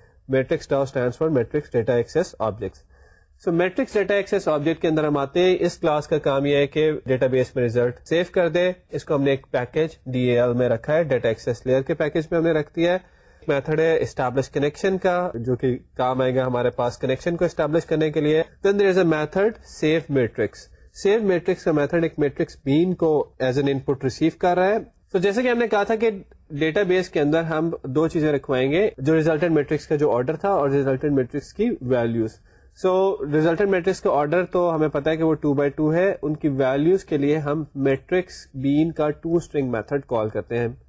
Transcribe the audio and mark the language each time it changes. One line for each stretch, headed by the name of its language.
English: Matrix DAO stands for matrix data access objects.
Urdu: So matrix data access object کے اندر ہم آتے ہیں. اس کلاس کا کام یہ ہے کہ ڈیٹا بیس میں ریزلٹ سیو کر دے. اس کو ہم نے ایک پیکج ڈی اے ایل میں رکھا ہے, ڈیٹا ایکسیس لیئر کے پیکج میں ہم نے رکھ دیا ہے. میتھڈ ہے اسٹیبلش کنیکشن کا جو کہ کام آئے گا ہمارے پاس کنیکشن کو اسٹیبلش کرنے کے لیے.
English: Then there is a method save matrix.
Urdu: Save matrix کا میتھڈ ایک میٹرکس بین کو as an in put receive کر رہا ہے. تو جیسے کہ ہم نے کہا تھا کہ ڈیٹا بیس کے اندر ہم دو چیزیں رکھوائیں گے, جو ریزلٹنٹ میٹرکس کا جو آرڈر تھا اور ریزلٹنٹ میٹرکس کی ویلوز. سو ریزلٹنٹ میٹرکس کا آرڈر تو ہمیں پتا ہے کہ وہ 2x2 ہے, ان کی ویلوز کے لیے ہم میٹرکس بین کا ٹو اسٹرنگ میتھڈ کال کرتے ہیں.